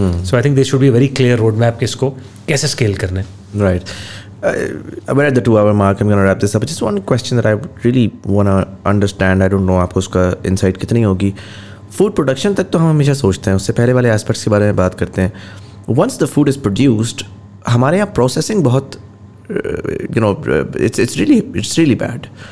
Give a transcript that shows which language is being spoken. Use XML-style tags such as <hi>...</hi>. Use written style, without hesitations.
<en>So I think there should be a very clear road map</en> <ur>ke isko kaise scale karna hai,</ur> <en>right. We're at the 2-hour mark. I'm going to wrap this up. Just one question that I really want to understand. I don't know</en> <ur>آپ کو اس کا insight کتنی ہوگی. Food production تک تو ہم ہمیشہ سوچتے ہیں, اس سے پہلے والے آسپیکٹس کے بارے میں بات کرتے ہیں.</ur> <en>once the food is produced,</en> <ur>ہمارے یہاں پروسیسنگ بہت</ur> <en>You know it's really bad.</en>